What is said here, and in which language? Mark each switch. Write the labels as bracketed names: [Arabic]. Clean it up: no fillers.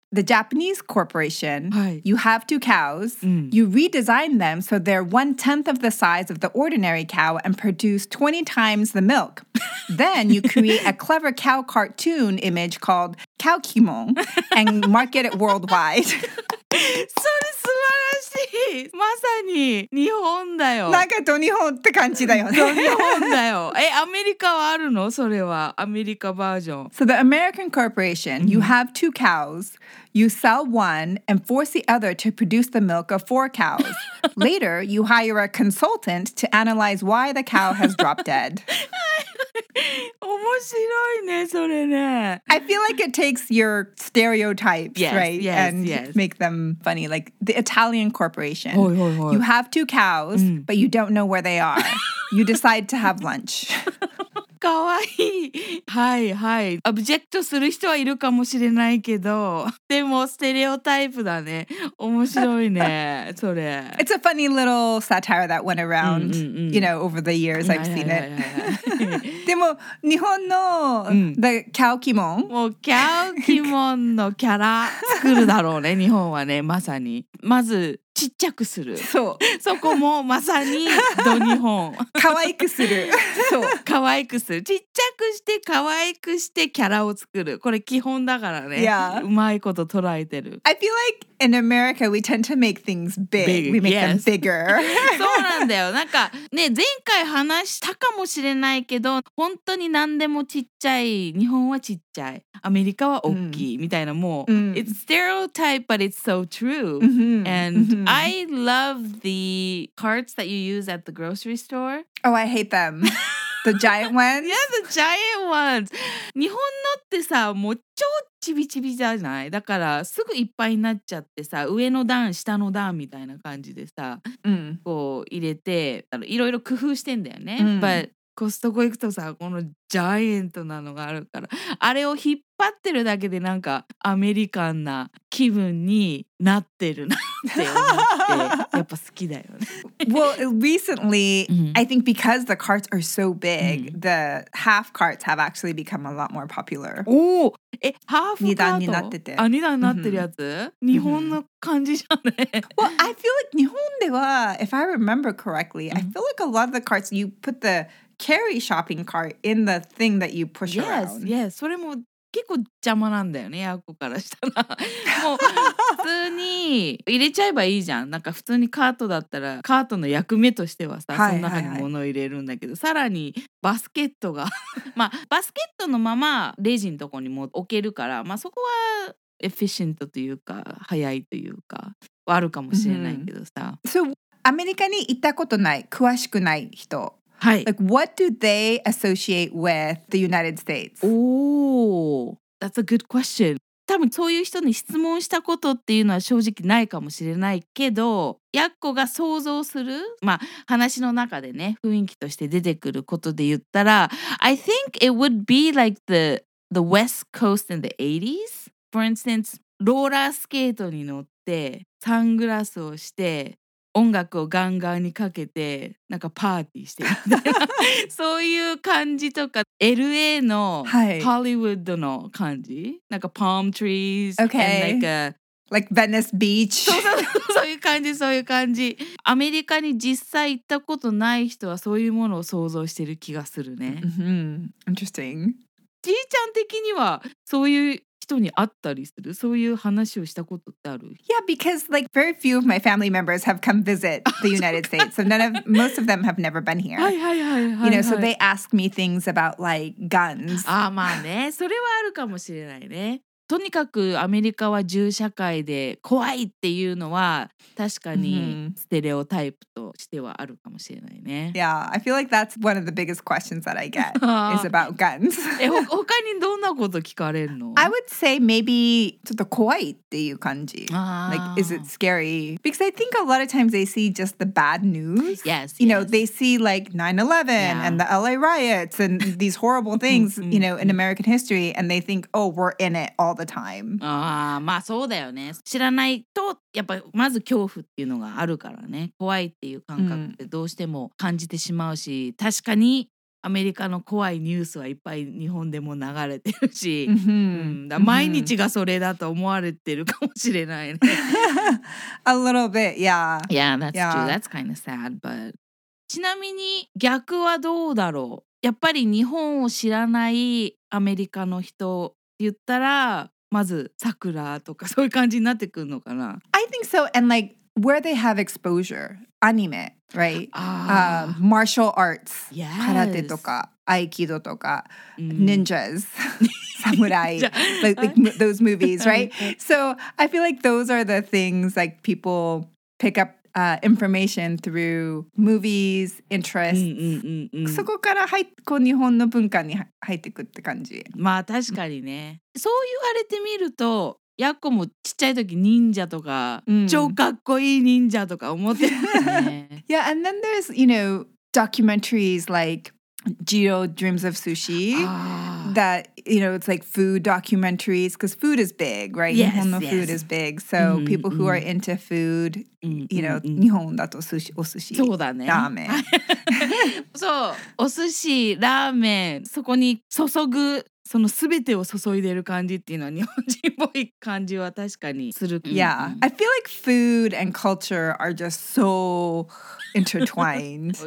[English] the Japanese corporation, you have two cows, you redesign them so they're 1/10 of the size of the ordinary cow and produce 20 times the milk. Then you create a clever cow cartoon image called Cow Kimon and market it worldwide. [Japanese] それ素晴らしい。まさに日本だよ。なんかド日本って感じだよね。ド日本だよ。え、アメリカはあるの？それはアメリカバージョン。 [English] So the American corporation, you have two cows, you sell one and force the other to produce the milk of four cows. Later, you hire a consultant to analyze why the cow has dropped dead. [Japanese] 面白いね、それね。 [English] I feel like it takes your stereotypes, yes, right? Yes, and yes. make them funny. Like the Italian corporation. Oh, oh, oh. You have two cows, but you don't know where they are. You decide to have lunch. [Japanese] かわいい。はいはい。オブジェクトする人はいるかもしれないけど、でもステレオタイプだね。面白いね、それ。 [English] It's a funny little satire that went around, you know, over the years I've seen it. [Japanese] でも、日本の、The Cow Kimon。もう、Cow Kimonのキャラ作るだろうね、日本はね、まさに。まず、ちっちゃくする。そう。そこもまさにド日本。可愛くする。そう。可愛くする。ちっちゃくして可愛くしてキャラを作る。これ基本だからね。 [English] Yeah. [Japanese] うまいこと捉えてる。 [English] I feel like in America we tend to make things big. big. We make、 yes. them bigger. [Japanese] そうなんだよ。なんかね、前回話したかもしれないけど、本当に何でもちっちゃい。日本はちっちゃい。アメリカは大きい、みたいな、もう、 [English] It's stereotype, but it's so true. And I love the carts that you use at the grocery store. Oh, I hate them. The giant ones? Yeah, the giant ones. [Japanese] 日本のってさ、もう超ちびちびじゃない？だからすぐいっぱいになっちゃってさ、上の段、下の段みたいな感じでさ、こう入れて、いろいろ工夫してんだよね。 But コストコ行くとさ、このジャイアントなのがあるから、あれを引っ張ってるだけでなんかアメリカンな気分になってるなって思って、やっぱ好きだよね。 [English] Well, recently, I think because the carts are so big, the half carts have actually become a lot more popular. [Japanese] おお、え、ハーフカート？二段になってて。あ、二段になってるやつ？日本の感じじゃね。 [English] Well, I feel like [Japanese] 日本では、 [English] if I remember correctly, I feel like a lot of the carts, you put the... carry shopping cart in the thing that you push yes, around. Yes, yes. [Japanese] それも結構邪魔なんだよね、ヤコからしたら。もう普通に入れちゃえばいいじゃん。なんか普通にカートだったら、カートの役目としてはさ、その中に物を入れるんだけど、はいはいはい、さらにバスケットが、まあ、バスケットのままレジのとこにも置けるから、まあ、そこはエフィシェントというか、早いというか、あるかもしれないけどさ。 So, アメリカに行ったことない、詳しくない人。はい、 [English] like, what do they associate with the United States? Oh, that's a good question. [Japanese] 多分そういう人に質問したことっていうのは正直ないかもしれないけど、ヤッコが想像する、まあ話の中でね、雰囲気として出てくることで言ったら、 [English] I think it would be like the West Coast in the 80s. [Japanese] For instance, ローラースケートに乗って、サングラスをして、音楽をガンガンにかけてなんかパーティーしてるそういう感じとか LA のハリウッドの感じ、はい、 [English] なんか palm trees、 okay. and like a like Venice Beach [Japanese] そういう感じそういう感じアメリカに実際行ったことない人はそういうものを想像してる気がするね、 [English] Interesting [Japanese] じいちゃん的にはそういう人に会ったりする？そういう話をしたことってある？ [English] Yeah, because like very few of my family members have come visit the United States. So most of them have never been here. [Japanese] はいはいはいはい。 [English] You know, so they ask me things about like guns. [Japanese] あ、まあね。それはあるかもしれないね。とにかくアメリカは銃社会で怖いっていうのは確かにステレオタイプとしてはあるかもしれないね。 [English] Yeah, I feel like that's one of the biggest questions that I get is about guns. [Japanese] え、他にどんなこと聞かれるの [English] ？I would say maybe [Japanese] ちょっと怖いっていう感じ。 [English] Like, is it scary? Because I think a lot of times they see just the bad news. Yes. You know, they see like 9/11 and the LA riots and these horrible things, you know, in American history, and they think, oh, we're in it all. The time. [Japanese] ああ、まあそうだよね。知らないとやっぱまず恐怖っていうのがあるからね。怖いっていう感覚ってどうしても感じてしまうし、確かにアメリカの怖いニュースはいっぱい日本でも流れてるし、 mm-hmm. だ毎日がそれだと思われてるかもしれないね。 [English] A little bit, yeah. Yeah, that's yeah. true. That's kind of sad, but... [Japanese] ちなみに逆はどうだろう？やっぱり日本を知らないアメリカの人って言ったら、まず桜とかそういう感じになってくるのかな？ [English] I think so, and like... Where they have exposure, anime, right? Martial arts, yes. karate toka, aikido toka, ninjas, samurai, like those movies, right? So I feel like those are the things like people pick up information through movies, interests. [Japanese] そこから入っこう日本の文化に入ってくって感じ。まあ確かにね。そう言われてみると。ヤッコもちっちゃい時忍者とか、超かっこいい忍者とか思ってたね。 [English] Yeah, and then there's, you know, documentaries like Jiro Dreams of Sushi. That, you know, it's like food documentaries. Because food is big, right? Yes, 日本の food is big. So people who are into food, you know, [Japanese] 日本だとお寿司、そうだね、ラーメン。そう、お寿司、ラーメン、そこに注ぐ。その全てを注いでる感じっていうのは日本人っぽい感じは確かにする。 [English] Yeah, I feel like food and culture are just so intertwined.